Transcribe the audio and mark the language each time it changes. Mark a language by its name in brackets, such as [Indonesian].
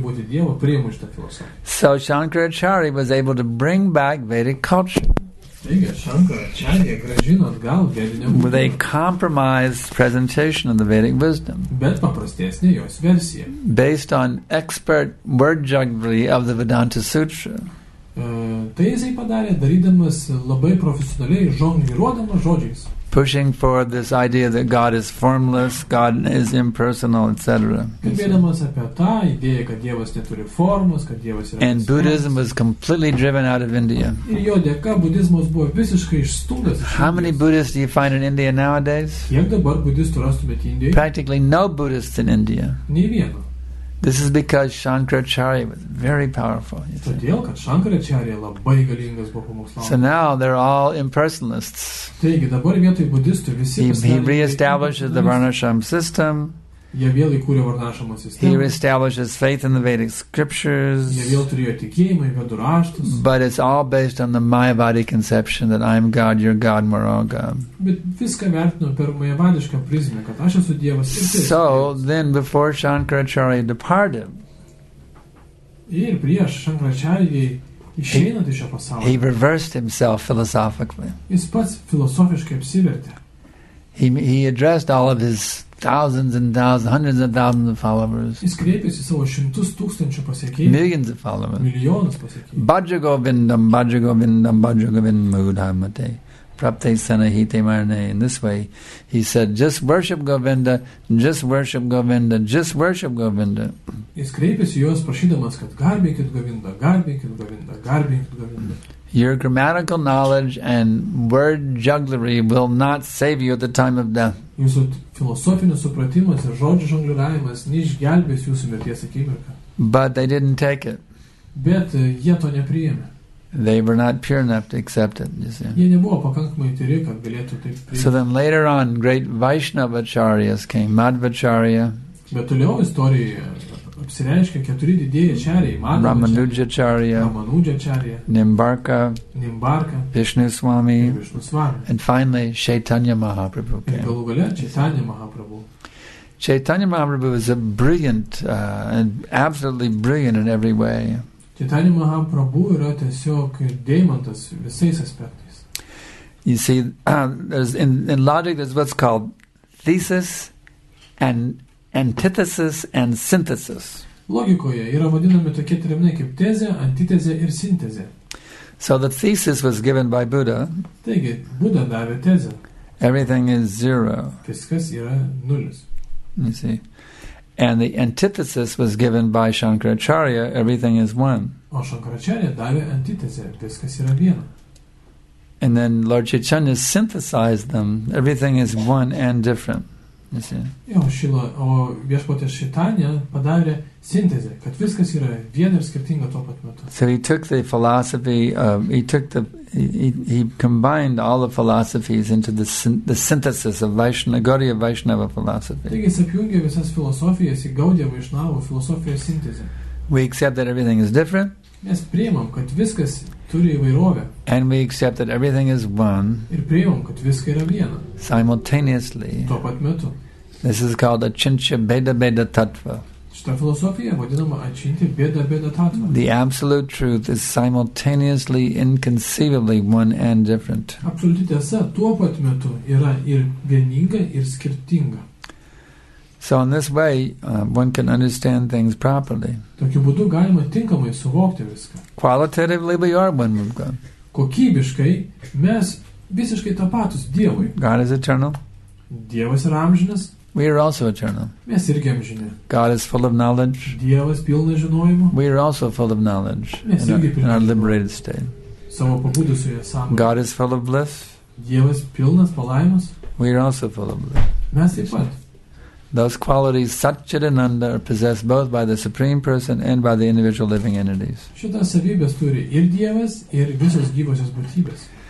[English] So Shankaracharya was able to bring back Vedic culture. With a compromised presentation of the Vedic wisdom. Based on expert word jugglery of the Vedanta Sutra. [Lithuanian] Tai jisai padarė, darydamas labai profesionaliai, žongliruodamas žodžiais. [English] Pushing forward this idea that God is formless, God is impersonal, etc. [Lithuanian] Kalbėdamas apie tą idėją, kad Dievas neturi formos, kad Dievas yra... [English] And Buddhism was completely driven out of India. [Lithuanian] Ir jo dėka budizmas buvo visiškai išstumtas. [English] How many Buddhists do you find in India nowadays? [Lithuanian] Kiek dabar budistų rastumėte Indijoje? [English] Practically no Buddhists in India. [Lithuanian] Nei vieno. [English] This is because Shankaracharya was very powerful. [Lithuanian] Todėl, kad Shankaracharya labai galingas buvo pamokslautojas. [English] So now they're all impersonalists. [Lithuanian] Taigi, dabar vietoj budistų visi [English] he reestablishes the Varnashram system. [Lithuanian] Jie vėl įkūrė Varnashramo sistemą. [English] He reestablishes faith in the Vedic scriptures. [Lithuanian] Jie vėl turėjo tikėjimą į Vedų raštus. [English] But it's all based on the Mayavadi conception that I'm God, you're God, we're all God. [Lithuanian] Bet viską vertino per Mayavadišką prizmę, kad aš esu Dievas. [English] So, then before Shankaracharya departed, [Lithuanian] ir prieš Shankaracharya išeinant iš šio pasaulio, [English] he reversed himself philosophically. [Lithuanian] Jis pats filosofiškai apsivertė. [English] He addressed all of his thousands and thousands, hundreds of thousands of followers. [Lithuanian] Jis kreipėsi savo šimtus tūkstančių pasiekėjų. [English] Millions of followers. [Lithuanian] Milijonus pasiekėjų. [Sanskrit] Bhajagovindam, Bhajagovindam, Bhajagovindam, Udhamate. Prapte sanahite marne. [English] In this way, he said, just worship Govinda, just worship Govinda, just worship Govinda. [Lithuanian] Jis kreipėsi juos prašydamas, kad garbinkit Govinda, garbinkit Govinda, garbinkit Govinda. [English] Your grammatical knowledge and word jugglery will not save you at the time of death. [Lithuanian] Jūsų filosofinis supratimas ir žodžių žongliravimas neišgelbės jūsų mirties akimirką. [English] But they didn't take it. [Lithuanian] Bet jie to nepriėmė. [English] They were not pure enough to accept it, you see. [Lithuanian] Jie nebuvo pakankamai tyri, kad galėtų taip priimti. [English] So then later on, great Vaishnavacharyas came, Madhvacharya. [Lithuanian] Bet toliau istorijoje apsireiškia keturi didieji čariai, [English] Ramanujacharya, Nimbarka, Vishnu Swami, and finally Chaitanya Mahaprabhu came. [Lithuanian] Ir galų gale Chaitanya Mahaprabhu. [English] Chaitanya Mahaprabhu was a brilliant and absolutely brilliant in every way. [Lithuanian] Chaitanya Mahaprabhu yra tiesiog deimantas visais aspektais. [English] You see, there's in logic there's what's called thesis and antithesis and synthesis. [Lithuanian] Logikoje yra vadinami tokie terminai kaip tezė, antitezė ir sintezė. [English] So the thesis was given by Buddha. [Lithuanian] Taigi, Buddha davė tezę. [English] Everything is zero. [Lithuanian] Viskas yra nulis. [English] You see. And the antithesis was given by Shankaracharya. Everything is one. [Lithuanian] O Shankaracharya davė antitezę. Viskas yra viena. [English] And then Lord Chaitanya synthesized them. Everything is one and different. [Lithuanian] Jo, šilo, o viešpatė Šitanė padarė sintezę, kad viskas yra viena ir skirtinga tuo pat metu. [English] So he took the philosophy, he combined all the philosophies into the synthesis of Gaudiya Vaishnava philosophy. [Lithuanian] Taigi jis apjungė visas filosofijas į Gaudiya Vaishnava filosofijos sintezę. [English] We accept that everything is different. [Lithuanian] Mes priimam, kad viskas turi įvairovę. [English] And we accept that everything is one. [Lithuanian] Ir priimam, kad viskas yra viena. [English] Simultaneously. [Lithuanian] Tuo pat metu. [English] This is called a chincha beda beda tattva. [Lithuanian] Šita filosofija vadinama atšinti bėda bėda tatva. [English] The absolute truth is simultaneously inconceivably one and different. [Lithuanian] Absoliuti tiesa tuo pat metu yra ir vieninga ir skirtinga. [English] So in this way, one can understand things properly. [Lithuanian] Tokiu būdu galima tinkamai suvokti viską. [English] Qualitatively we are one with God. [Lithuanian] Kokybiškai mes visiškai tapatus Dievui. [English] God is eternal. [Lithuanian] Dievas yra amžinas. [English] We are also eternal. [Lithuanian] Mes irgi amžini. [English] God is full of knowledge. [Lithuanian] Dievas pilnas žinojimo. [English] We are also full of knowledge. [Lithuanian] Mes irgi pilnas žinojimo. [English] In our liberated state. [Lithuanian] Savo pabudusioje sąmonėje. [English] God is full of bliss. [Lithuanian] Dievas pilnas palaimos. [English] We are also full of bliss. [Lithuanian] Mes taip pat. [English] Those qualities, Satchitananda, are possessed both by the Supreme Person and by the individual living entities. [Lithuanian] Šitas savybės turi ir Dievas, ir visos gyvosios būtybės.